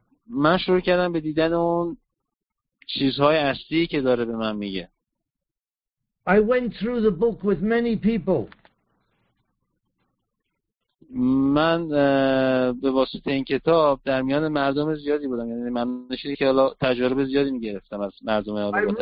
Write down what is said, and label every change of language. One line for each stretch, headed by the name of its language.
Persian: من شروع کردم به دیدن اون چیزهای اصلی که داره به من میگه.
English: I went through the book with many people.
Persian: من به واسطه این کتاب در میان مردم زیادی بودم، یعنی من نشیدی که حالا تجربه زیادی میگرفتم از مردم ها.